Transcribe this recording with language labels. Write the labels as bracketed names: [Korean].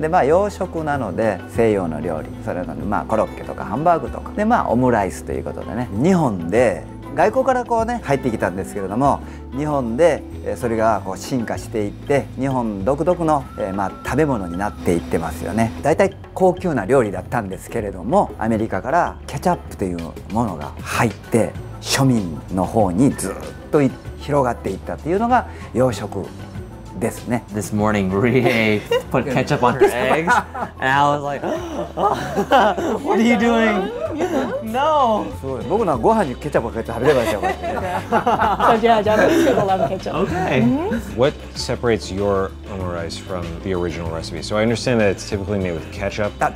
[Japanese] で、まあ洋食なので西洋の料理、それなのまあコロッケとかハンバーグとか、でまあオムライスということでね、日本で外国からこうね入ってきたんですけれども、日本でそれがこう進化していって、日本独特のまあ食べ物になっていってますよね。だいたい高級な料理だったんですけれども、アメリカからケチャップというものが入って、 庶民の方にずっと広がっていったっていうのが洋食ですね。 [English] This morning, Rie put ketchup on her eggs, and I was like, what are you doing? No! [Japanese] すごい、僕のはご飯にケチャップをかけて食べればいいじゃん。そう、じゃあ、ケチャップ、ラムケチャップ。 [English] Okay. What separates your omurice from the original recipe? So I understand that it's typically made with ketchup.